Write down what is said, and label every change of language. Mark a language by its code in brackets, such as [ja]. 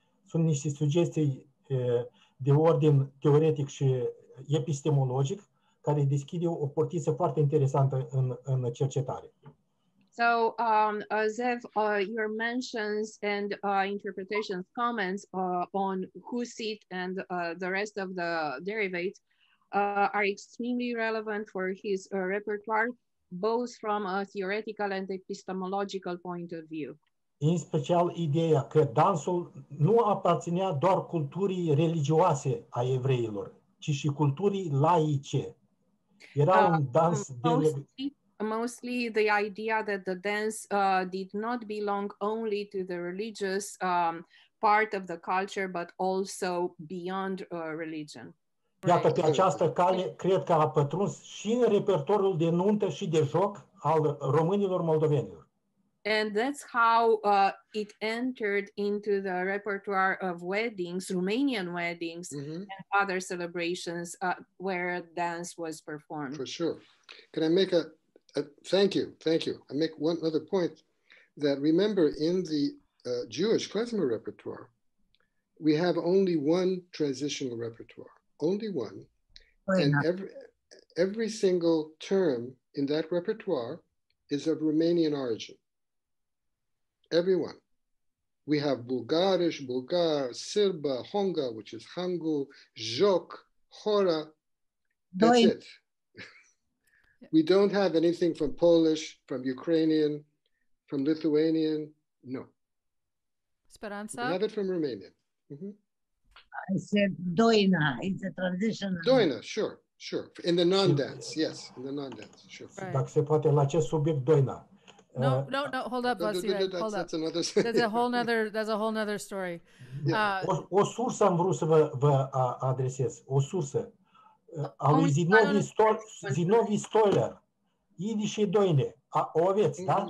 [ro] Sunt niște sugestii de ordin teoretic și epistemologic care deschide o portiță foarte interesantă în cercetare. [en] So, Zev, your mentions and interpretations, comments on Husit and the rest of the derivatives are extremely relevant for his repertoire, both from a theoretical and epistemological point of view. [ro] În special ideea că dansul nu aparținea doar culturii religioase a evreilor, ci și culturii laice. Era un dans [en] Mostly the idea that the dance did not belong only to the religious part of the culture, but also beyond religion. [ro] Iată, right. Pe această cale, cred că a pătruns și în repertoriul de nuntă și de joc al românilor moldovenilor. [en] And that's how it entered into the repertoire of weddings, Romanian weddings, mm-hmm. and other celebrations where dance was performed. For sure. Can I make a... Thank you. I make one other point that remember in the Jewish klezmer repertoire, we have only one transitional repertoire, only one. Fair and every single term in that repertoire is of Romanian origin. Everyone. We have Bulgarish, Bulgar, Silba, Honga, which is Hangu, Jok, Hora. That's it. We don't have anything from Polish, from Ukrainian, from Lithuanian, no. Speranța? We have it from Romanian. Mm-hmm. I said Doina, it's a transitional. Doina, sure. In the non-dance, yes, in the non-dance, sure. Right. [ro] Dacă se poate la acest subiect, Doina. [en] No, hold up, Vasile, hold up. That's a whole nother story. Yeah. [ro] O sursă am vrut să vă adresez, o sursă. Ale Zinovi Stoller, Yiddish și Doine, Ovets, da?